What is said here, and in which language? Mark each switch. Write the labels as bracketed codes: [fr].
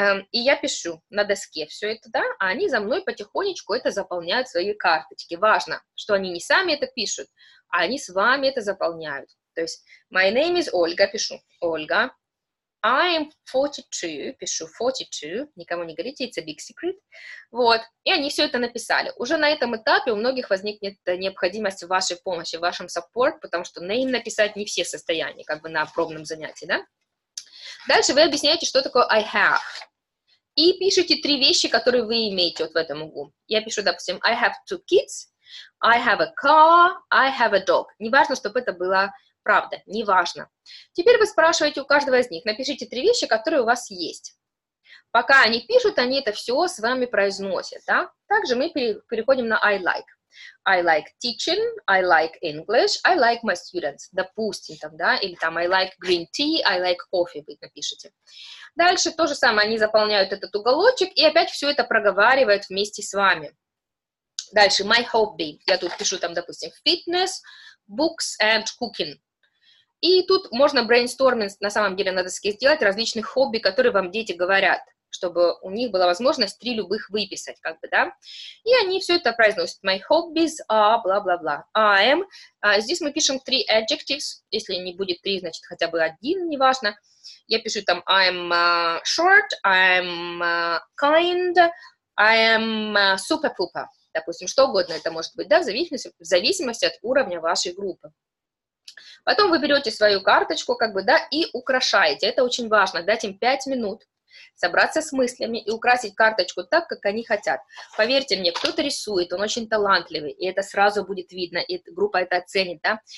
[ru] и я пишу на доске все это, да, а они за мной потихонечку это заполняют свои карточки, важно, что они не сами это пишут, а они с вами это заполняют, то есть [en] my name is [ru] Ольга, пишу, Ольга, [en] I am 42, [ru] пишу 42, никому не говорите, [en] it's a big secret, [ru] вот, и они все это написали. Уже на этом этапе у многих возникнет необходимость в вашей помощи, в вашем саппорт, потому что name написать не все в состоянии, как бы на пробном занятии, да? Дальше вы объясняете, что такое [en] I have, [ru] и пишите три вещи, которые вы имеете вот в этом углу. Я пишу, допустим, [en] I have two kids, I have a car, I have a dog. [ru] Неважно, чтобы это было... Правда, неважно. Теперь вы спрашиваете у каждого из них, напишите три вещи, которые у вас есть. Пока они пишут, они это все с вами произносят, да? Также мы переходим на I like. [en] I like teaching, I like English, I like my students, [ru] допустим, там, да? Или там [en] I like green tea, I like coffee, [ru] вы напишите. Дальше то же самое, они заполняют этот уголочек и опять все это проговаривают вместе с вами. Дальше [en] my hobby, [ru] я тут пишу там, допустим, [en] fitness, books and cooking. [ru] И тут можно брейнсторминг на самом деле на доске сделать различных хобби, которые вам дети говорят. чтобы у них была возможность три любых выписать, как бы, да. И они все это произносят. [en] My hobbies are, [ru] бла-бла-бла. [en] I am. [ru] Здесь мы пишем три adjectives. Если не будет три, значит, хотя бы один, неважно. Я пишу там [en] I'm short, I'm kind, I am super-pooper. [ru] Допустим, что угодно это может быть, да, в зависимости от уровня вашей группы. Потом вы берете свою карточку, как бы, да, и украшаете. Это очень важно, дать им 5 минут собраться с мыслями и украсить карточку так, как они хотят. Поверьте мне, кто-то рисует, он очень талантливый, и это сразу будет видно, и группа это оценит, да.